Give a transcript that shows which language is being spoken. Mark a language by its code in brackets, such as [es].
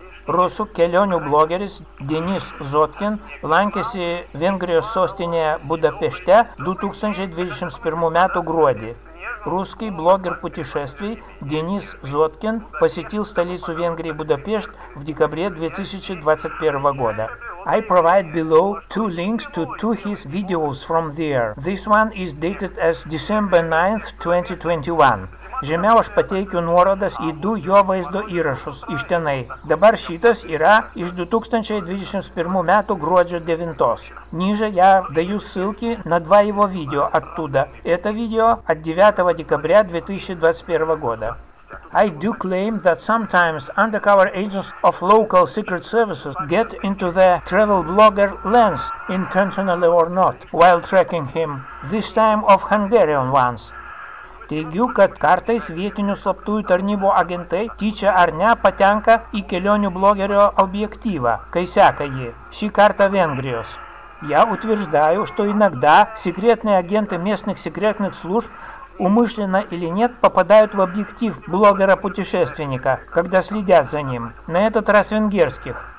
[lt] Rusų kelionių blogeris Denis Zotkin lankėsi Vengrijos sostinėje Budapešte 2021 m. gruodį. Rusų blogerių [ru] путешествий Денис Зоткин посетил столицу Венгрии Будапешт в декабре 2021 года. [en] I provide below two links to two his videos from there. This one is dated as December 9th, 2021. [lt] Žemiau aš pateikiu nuorodas į du jo vaizdo įrašus iš tenai. Dabar šitas yra iš 2021 m. gruodžio 9-os. [ru] Ниже я даю ссылки на два его видео оттуда. Это видео от 9 декабря 2021 года. [en] I do claim that sometimes undercover agents of local secret services get into the travel blogger lens, intentionally or not, while tracking him, this time of Hungarian ones. [lt] Teigiu, kad kartais vietinių slaptųjų tarnybų agentai tyčia ar ne patenka į kelionių blogerio objektyvą, kai seka jį, šį kartą Vengrijos. [ru] Я утверждаю, что иногда секретные агенты местных секретных служб, умышленно или нет, попадают в объектив блогера-путешественника, когда следят за ним, на этот раз венгерских.